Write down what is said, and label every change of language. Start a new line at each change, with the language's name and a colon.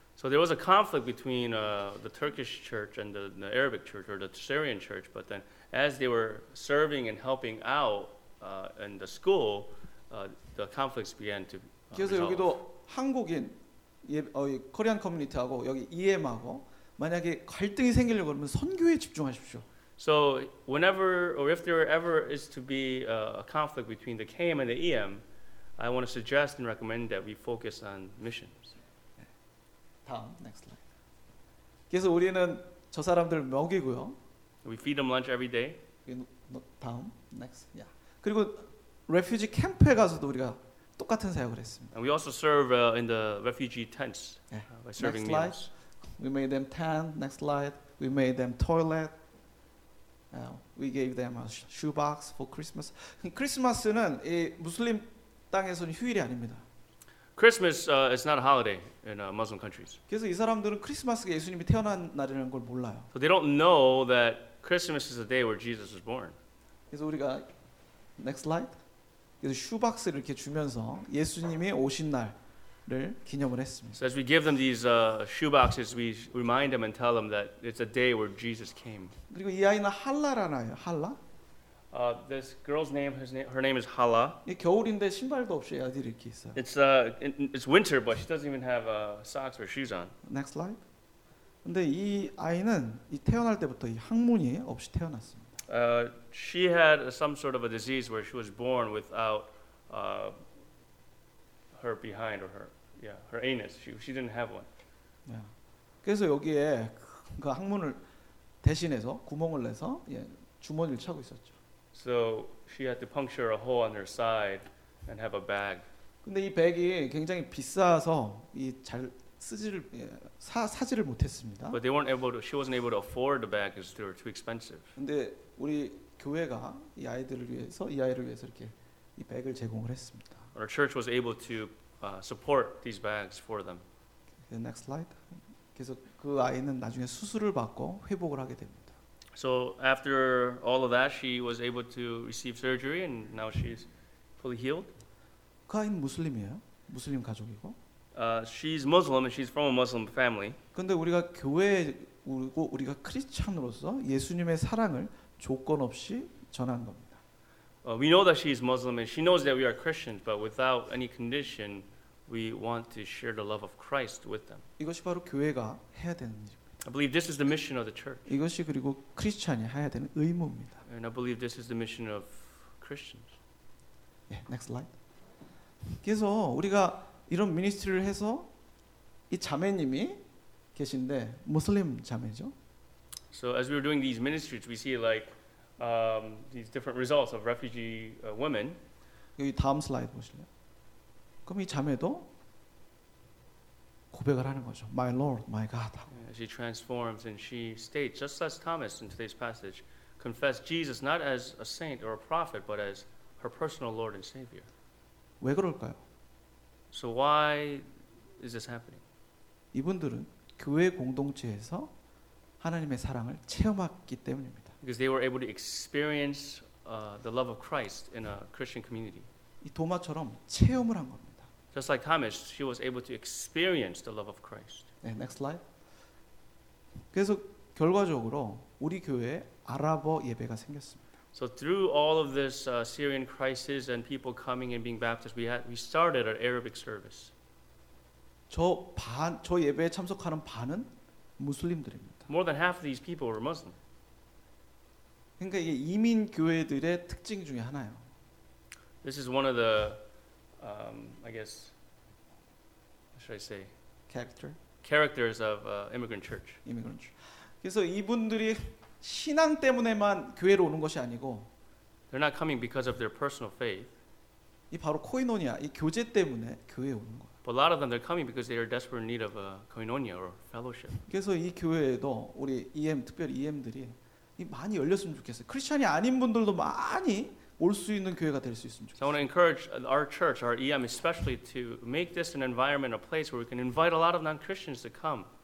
English: So there was a conflict between the Turkish church and the Arabic church or the Syrian church, but then as they were serving and helping out in the school, the conflicts began to resolve.
Korean: 그래서 여기도 한국인 코리안 커뮤니티하고 여기 EM하고 만약에 갈등이 생기려고 그러면 선교에 집중하십시오.
English: So whenever or if there ever is to be a conflict between the KM and the EM, I want to suggest and recommend that we focus on missions.
Korean: 다음,
English: next slide.
Korean: 그래서 우리는 저 사람들 먹이고요.
English: We feed them lunch every day.
Korean: 다음,
English: next. Yeah.
Korean: 그리고 refugee camp에 가서도 우리가 똑같은 사역을 했습니다.
English: And we also serve in the refugee tents by serving meals. Next slide. We made them tent. Next slide. We made them toilet. We gave them a shoebox for Christmas.
Korean: Christmas는 이 무슬림 땅에서는 휴일이 아닙니다.
English: Christmas is not a holiday in Muslim countries.
Korean: 그래서 이 사람들은 크리스마스가 예수님이 태어난 날이라는 걸 몰라요.
English: So they don't know that Christmas is the day where Jesus was born.
Korean: 그래서 우리가
English: next slide.
Korean: 그래서 shoebox를 이렇게 주면서 예수님이 오신 날을 기념을 했습니다.
English: So as we give them these shoeboxes, we remind them and tell them that it's a day where Jesus came.
Korean: 그리고 이 아이는 할라라나요, 할라?
English: This girl's name, her name is Hala.
Korean: 이 겨울인데 신발도 없이 아들이 이렇게 있어.
English: It's winter, but she doesn't even have socks or shoes on. Next slide.
Korean: 근데 이 아이는 이 태어날 때부터 이 항문이 없이 태어났습니다.
English: She had some sort of a disease where she was born without her behind or her anus. She didn't have one. Yeah.
Korean: 그래서 여기에 그 항문을 대신해서 구멍을 내서 주머니를 차고 있었죠.
English: So she had to puncture a hole on her side and have a bag.
Korean: 근데 이 백이 굉장히 비싸서 이 잘 쓰지를 사지를 못했습니다.
English: But they weren't able to. She wasn't able to afford the bag because they were too expensive.
Korean: 근데 우리 교회가 이 아이들을 위해서 이 아이를 위해서 이렇게 이 백을 제공을 했습니다.
English: Our church was able to support these bags for them. Next slide.
Korean: 그래서 그 아이는 나중에 수술을 받고 회복을 하게 됩니다.
English: So after all of that, she was able to receive surgery, and now she's fully healed.
Korean: 그 아이는 무슬림이에요. 무슬림 가족이고.
English: She's Muslim and she's from a Muslim family.
Korean: 근데 우리가 교회고 우리가 크리스천으로서 예수님의 사랑을 조건 없이 전한 겁니다.
English: We know that she is Muslim and she knows that we are Christians, but without any condition, we want to share the love of Christ with them.
Korean: 이것이 바로 교회가 해야 되는 일입니다.
English: I believe this is the mission of the church.
Korean: 이것이 그리고 크리스천이 해야 되는 의무입니다.
English: And I believe this is the mission of Christians. Yeah, next slide.
Korean: 그래서 우리가 이런 미니스트리를 해서 이 자매님이 계신데 무슬림 자매죠.
English: So as we were doing these ministries, we see like these different results of refugee women.
Korean: 여기 다음 슬라이드 보실래요? 그럼 이 자매도 고백을 하는 거죠.
English: My Lord, my God. She transforms and she states, just as Thomas in today's passage, confess Jesus not as a saint or a prophet, but as her personal Lord and Savior.
Korean: 왜 그럴까요?
English: So why is this happening?
Korean: 이분들은 교회 공동체에서 하나님의 사랑을 체험했기 때문입니다.
English: Because they were able to experience the love of Christ in a Christian community.
Korean: 이 도마처럼 체험을 한 겁니다.
English: Just like Thomas, she was able to experience the love of Christ.
Korean: 네,
English: next slide.
Korean: 그래서 결과적으로 우리 교회에 아랍어 예배가 생겼습니다.
English: So through all of this Syrian crisis and people coming and being baptized, we started an Arabic service.
Korean: 저 예배에 참석하는 반은 무슬림들입니다.
English: More than half of these people were Muslim.
Korean: 그러니까 이게 이민 교회들의 특징 중에 하나예요.
English: This is one of the, I guess, what should I say? Character. Characters of immigrant church. Immigrant church.
Korean: 그래서 이분들이 신앙 때문에만 교회로 오는 것이 아니고
English: They're not coming because of their personal faith.
Korean: 이 바로 코이노니아, 이 교제 때문에 교회에 오는 거예요.
English: But a lot of them, they're coming because they are desperate in need of a koinonia or fellowship.
Korean: 그래서 이 교회에도 우리 EM, 특별히 EM들이 많이 열렸으면 좋겠어요. 크리스천이 아닌 분들도 많이 올 수 있는 교회가 될 수 있으면 좋겠어요.
English: So I want to encourage our church, our EM especially, to make this an environment, a place where we can invite a lot of non-Christians to come.